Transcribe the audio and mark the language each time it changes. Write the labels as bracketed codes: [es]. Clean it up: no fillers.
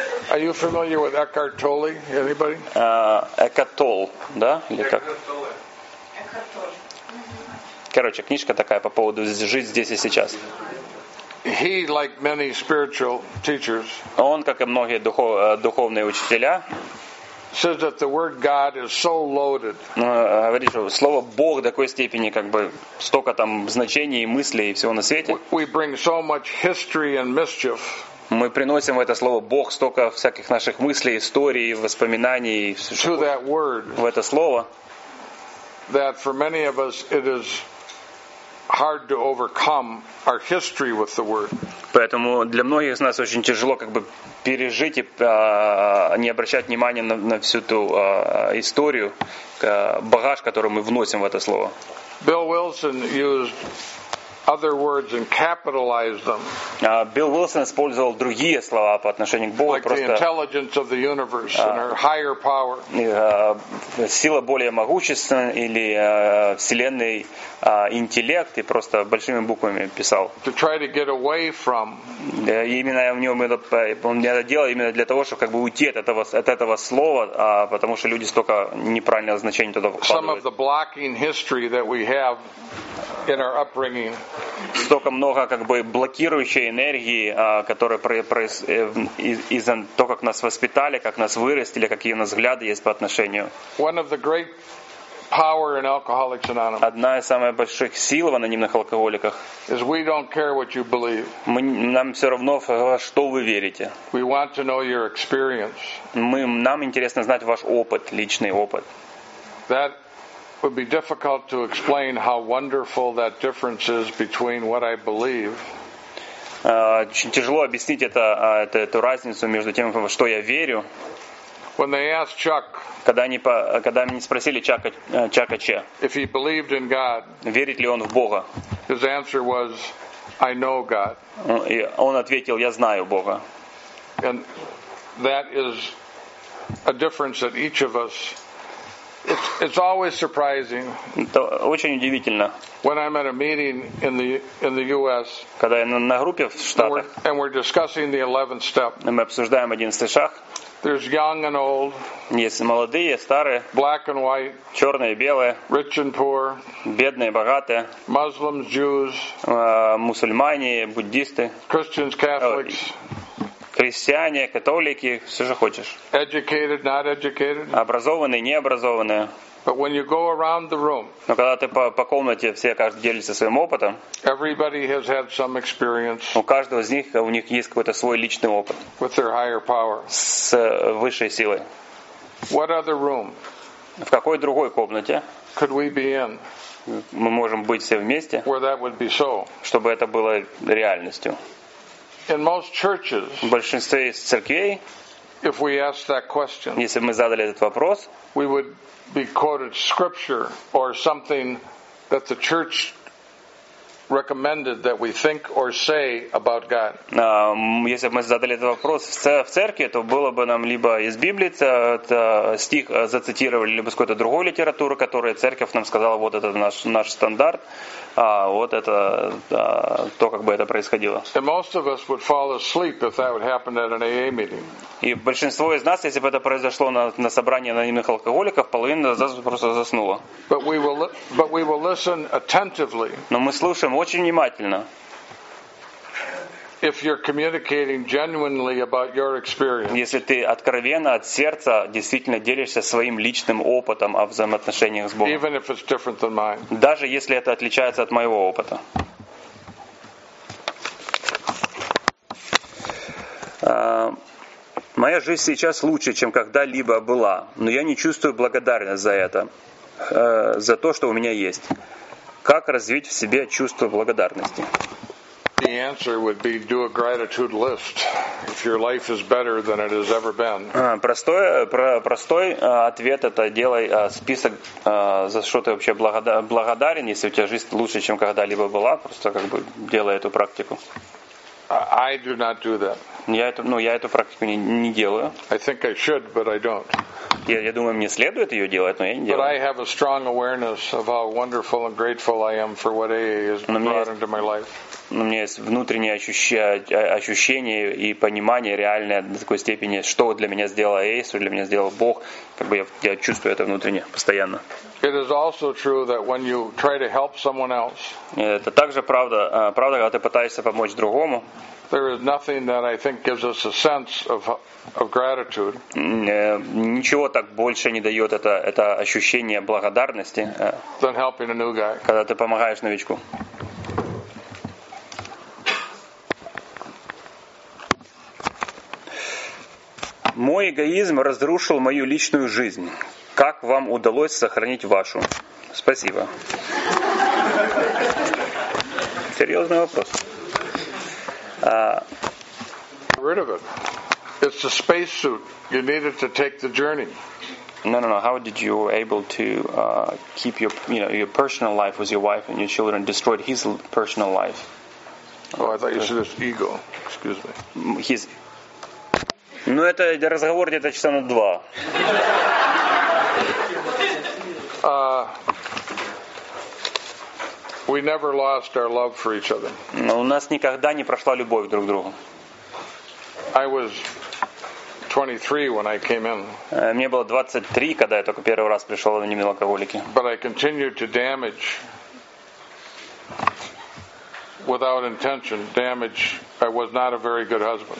[en] Are you familiar with Eckhart Tolle? Anybody? [ru] Eckhart Tolle, да? Или как? Короче, книжка такая по поводу жить здесь и сейчас. [en] He, like many spiritual teachers, [ru] он, как и многие духовные учителя, [en] says that the word God is so loaded. [ru] Говорит, что слово Бог в такой степени как бы столько там значений и мыслей и всего на свете. [en] We bring so much history and mischief. [ru] Мы приносим в это слово Бог столько всяких наших мыслей, историй, воспоминаний [en] to that word, [ru] в это слово, [en] that for many of us it is hard to overcome our history with the word. [ru] Поэтому для многих из нас очень тяжело как бы пережить и не обращать внимания на всю ту историю, багаж, который мы вносим в это слово. [en] Bill Wilson used other words and capitalized them. [ru] Bill Wilson использовал другие слова по отношению к Богу, [en] like [ru] просто [en] the intelligence of the universe and our higher power. [ru] Сила более могущественная или вселенной интеллект и просто большими буквами писал. [en] To try to get away from. [ru] Именно в нем это делал именно для того, чтобы как бы уйти от этого слова, потому что люди столько неправильного значения туда вкладывают. [en] Some of the blocking history that we have in our upbringing. [ru] Столько много как бы блокирующей энергии, которая из-за того, как нас воспитали, как нас вырастили, какие у нас взгляды есть по отношению. [en] One of the great power in Alcoholics Anonymous. [ru] Одна из самых больших сил в анонимных алкоголиках. [en] Is we don't care what you believe. [ru] Нам все равно, что вы верите. [en] We want to know your experience. [ru] Нам интересно знать ваш опыт, личный опыт. [en] That would be difficult to explain how wonderful that difference is between what I believe. [ru] Очень тяжело объяснить эту разницу между тем, во что я верю. [en] When they asked Chuck, [ru] когда меня спросили Чака Че, [en] if he believed in God, [ru] верит ли он в Бога, [en] his answer was, I know God. [ru] Он ответил, я знаю Бога. [en] And that is a difference that each of us. It's always surprising. [ru] Это очень удивительно. [en] When I'm at a meeting in the U.S. [ru] Когда я на группе в Штатах. [en] And we're discussing the 11th step. [ru] И мы обсуждаем 11-й шаг. [en] There's young and old. [ru] Есть молодые, старые. [en] Black and white. [ru] Черные, белые. [en] Rich and poor. [ru] Бедные, богатые. [en] Muslims, Jews. [ru] Мусульмане, буддисты. [en] Christians, Catholics. [ru] Христиане, католики, все же хочешь. [en] Educated, not educated. [ru] Образованные, необразованные. [en] But when you go around the room, [ru] но когда ты по комнате, все каждый делится своим опытом. [en] Everybody has had some experience. [ru] У каждого из них, у них есть какой-то свой личный опыт. [en] With their higher power. [ru] С высшей силой. [en] What other room? [ru] В какой другой комнате? [en] Could we be in? [ru] Мы можем быть все вместе. [en] Where that would be so. [ru] Чтобы это было реальностью. [en] In most churches, [ru] в большинстве из церквей, [en] if we ask that question, [ru] если мы задали этот вопрос, [en] we would be quoted scripture or something that the church recommended that we think or say about God. [ru] Если бы мы задали этот вопрос в церкви, то было бы нам либо из Библии стих зацитировали, либо с какой-то другой литературы, которая церковь нам сказала, вот это наш стандарт, вот это то, как бы это происходило. [en] And most of us would fall asleep if that would happen at an AA meeting. [ru] И большинство из нас, если бы это произошло на собрании анонимных алкоголиков, половина просто заснула. [en] But we will listen attentively. [ru] Но мы слушаем очень внимательно. [en] If you're communicating genuinely about your experience, [ru] если ты откровенно от сердца действительно делишься своим личным опытом о взаимоотношениях с Богом, [en] even if it's different than mine, [ru] даже если это отличается от моего опыта. Моя жизнь сейчас лучше, чем когда-либо была, но я не чувствую благодарность за это, за то, что у меня есть. Как развить в себе чувство благодарности? [en] The answer would be do a gratitude list. If your life is better than it has ever been. [ru] Простой ответ это делай список за что ты вообще благодарен, если у тебя жизнь лучше, чем когда-либо была, просто как бы делай эту практику. [en] I do not do that. [ru] Я эту практику не делаю. [en] I think I should, but I don't. [ru] Я думаю, мне следует ее делать, но я не делаю. [en] But I have a strong awareness of how wonderful and grateful I am for what AA has brought into my life. [ru] У меня есть внутреннее ощущение и понимание реальное до такой степени, что для меня сделал AA, что для меня сделал Бог. Как бы я чувствую это внутренне постоянно. [en] It is also true that when you try to help someone else. [ru] Это также правда, когда ты пытаешься помочь другому. [en] There is nothing that I think gives us a sense of gratitude. [ru] Ничего так больше не дает это ощущение благодарности. [en] Than helping a new guy. [ru] Когда ты помогаешь новичку. Мой эгоизм разрушил мою личную жизнь. Как вам удалось сохранить вашу? Спасибо. серьезный вопрос. [en] Get rid of it. It's a space suit. You need it to take the journey. No. How did you able to keep your, you know, your personal life with your wife and your children, destroyed his personal life? Oh, I thought you said his ego. Excuse me. His. [ru] Ну, это разговор где-то часа на два. [en] We never lost our love for each other. [ru] Но у нас никогда не прошла любовь друг к другу. [en] I was 23 when I came in. [ru] Мне было 23, когда я только первый раз пришел в анонимные алкоголики. [en] But I continued to damage without intention. Damage. I was not a very good husband.